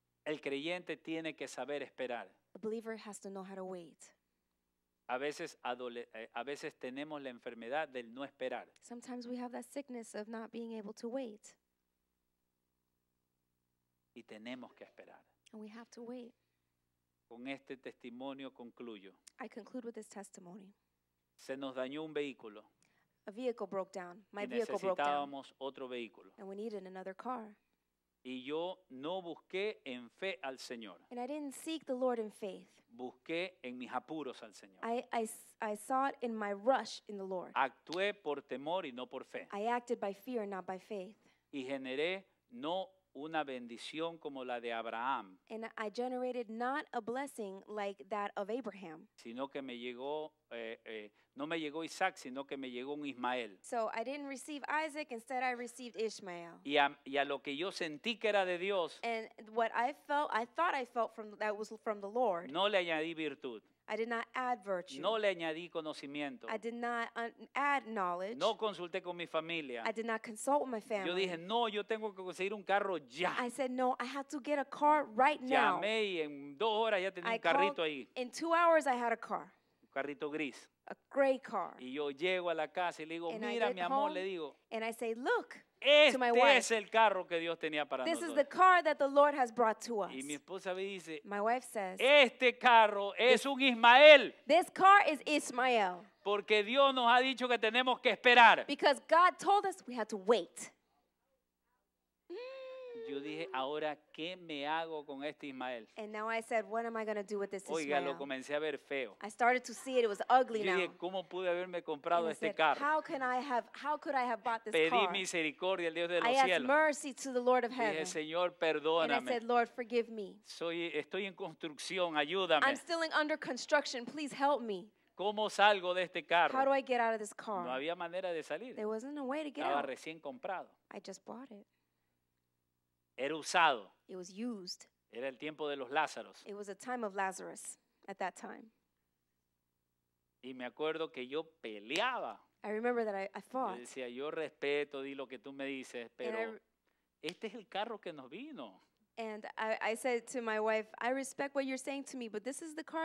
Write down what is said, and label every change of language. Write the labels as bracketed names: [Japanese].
[Spanish] El creyente tiene que saber esperar. [English] A believer has to know how to wait. [Spanish] A veces tenemos la enfermedad del no esperar. [English] Sometimes we have that sickness of not being able to wait. [Spanish] Y tenemos que esperar. [English] And we have to wait. [Spanish] Con este testimonio concluyo. [English] I conclude with this testimony. [Spanish] Se nos dañó un vehículo. [English] A vehicle broke down. My vehicle broke down. [Spanish] Necesitábamos otro vehículo. [English] And we needed another car. [Spanish] Y yo no busqué en fe al Señor. [English] And I didn't seek the Lord in faith. [Spanish] Busqué en mis apuros al Señor. [English] I sought in my rush in the Lord. [Spanish] Actué por temor y no por fe. [English] I acted by fear, not by faith. [Spanish] Y generé no una bendición como la de Abraham. [English] And I generated not a blessing like that of Abraham. [Spanish] Sino que me llegó, no me llegó Isaac, sino que me llegó un Ismael. [English] So I didn't receive Isaac, instead I received Ishmael. [Spanish] Y a lo que yo sentí que era de Dios. [English] And what I thought I felt from that was from the Lord. [Spanish] No le añadí virtud. [English] I did not add virtue. [Spanish] No le añadí conocimiento. [English] I did not add knowledge. [Spanish] No consulté con mi familia. [English] I did not consult my family. [Spanish] Yo dije, no, yo tengo que conseguir un carro ya. [English] I said, no, I have to get a car right now. [Spanish] Llamé y en dos horas ya tenía un carrito ahí. [English] In 2 hours I had a car. [Spanish] Un carrito gris. [English] A gray car. [Spanish] Y yo llego a la casa y le digo, mira, mi amor, le digo. [English] And I say, look. [Spanish] Este [English] to my wife. [Spanish] Es el carro que Dios tenía para [English] this [Spanish] nosotros. [English] Is the car that the Lord has brought to us. [Spanish] Y mi esposa me dice, [English] my wife says, [Spanish] este carro es un Ismael. [English] This car is Ishmael. [Spanish] Porque Dios nos ha dicho que tenemos que esperar. [English] Because God told us we had to wait. [Spanish] Yo dije, ahora, ¿qué me hago con este Ismael? [English] And now I said, what am I going to do with this Ismael? [Spanish] Oiga, lo comencé a ver feo. [English] I started to see it. It was ugly now. [Spanish] Yo dije, ¿cómo pude haberme comprado este carro? [English] How can I have, how could I have bought this [Spanish] Pedí [English] car? [Spanish] Pedí misericordia al Dios de los cielos. [English] I asked mercy to the Lord of heaven. [Spanish] Y dije, Señor, perdóname. [English] And I said, Lord, forgive me. [Spanish] Estoy en construcción, ayúdame. [English] I'm still under construction. Please help me. [Spanish] ¿Cómo salgo de este carro? [English] How do I get out of this car? [Spanish] No había manera de salir. [English] There wasn't a way to get [Spanish] Estaba [English] out. [Spanish] Estaba recién comprado. [English] I just bought it. [Spanish] Era usado. [English] It was used. [Spanish] Era el tiempo de los Lázaros. [English] It was a time of Lazarus at that time. [Spanish] Y me acuerdo que yo peleaba. [English] I remember that I fought. [Spanish] Y decía, yo respeto, di lo que tú me dices, pero este es el carro que nos vino. [English] And I said to my wife, I respect what you're saying to me, but this is the car